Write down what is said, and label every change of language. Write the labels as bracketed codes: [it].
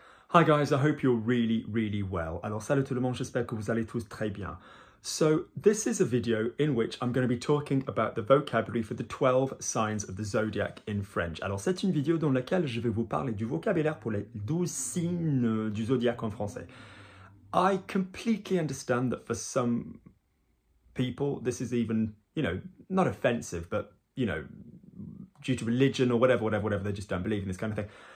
[en] Hi guys, I hope you're really, really well. [fr] Alors, salut tout le monde, j'espère que vous allez tous très bien. [en] So, this is a video in which I'm going to be talking about the vocabulary for the 12 signs of the zodiac in French. [fr] Alors, c'est une vidéo dans laquelle je vais vous parler du vocabulaire pour les 12 signes du zodiaque en français. [en] I completely understand that for some people, this is even, you know, not offensive, but, you know, due to religion or whatever, whatever, whatever, they just don't believe in this kind of thing.